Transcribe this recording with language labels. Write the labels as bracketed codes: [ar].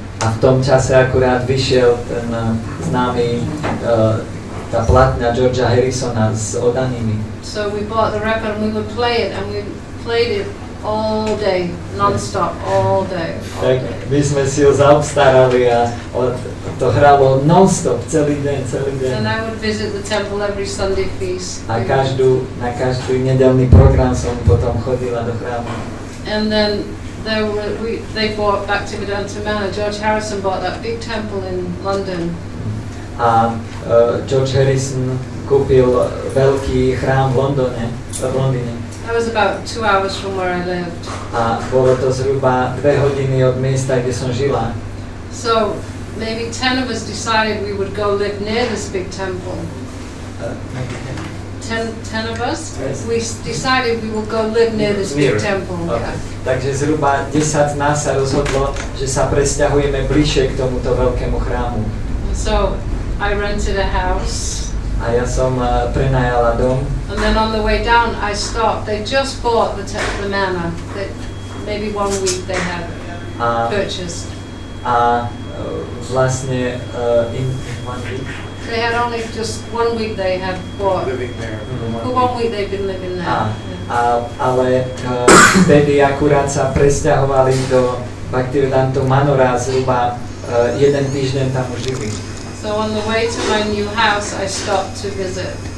[sk] A v tom čase akurát vyšiel ten známy, tá platňa Georgia Harrisona s oddanými. [en] So we bought the record and we would play it and we played it all day, non-stop, all day. [sk] Tak my sme si ho zaobstarali a to hralo non-stop, celý deň, celý deň. [en] And I would visit the temple every Sunday feast. [sk] A na každý nedelný program som potom chodila do chrámu. [en] And then they bought Bhaktivedanta Manor. George Harrison bought that big temple in London. [sk] A George Harrison kúpil veľký chrám v Londone, v Londýne. [en] That was about 2 hours from where I lived. [sk] A bolo to zhruba 2 hodiny od miesta, kde som žila. [en] So maybe 10 of us decided we would go live near this big temple. 10 of us, we decided we will go live near this big temple. Okay. Yeah. [sk] Takže zhruba 10 z nás sa rozhodlo, že sa presťahujeme bližšie k tomuto veľkému chrámu. [en] So, I rented a house. [sk] A ja som prenajala dom. [en] And then on the way down, I stopped. They just bought the manor. Maybe 1 week they had purchased. [sk] A vlastne, [en] in 1 week? They had only just 1 week they had bought. Living there. Mm-hmm. 1 week they've been living there. [sk] Ale vtedy akurát sa presťahovali do Bhaktivedanta Manora a zhruba jeden týždeň tam už žili. [en] So on the way to my new house I stopped to visit.